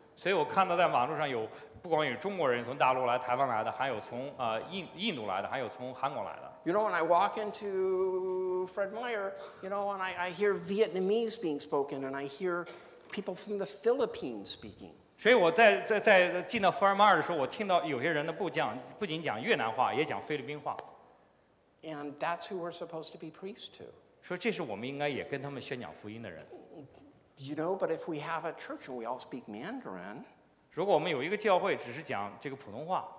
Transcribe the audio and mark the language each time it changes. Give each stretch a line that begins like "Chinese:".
Chinese: 所以我看到在网络上有不光有中国人从大陆来、台湾来的，还有从印度来的，还有从韩国来的。
English: You know, when I walk into Fred Meyer, you know, and I hear Vietnamese being spoken, and I hear people from the Philippines speaking.
Chinese: 所以我在进到福尔马尔的时候，我听到有些人呢不仅讲越南话，也讲菲律宾话。
English: And that's who we're supposed to be priests to.
Chinese: 说这是我们应该也跟他们宣讲福音的人。
English: you know, but if we have a church and we all speak Mandarin,
Chinese: 如果我们有一个教会只是讲这个普通话，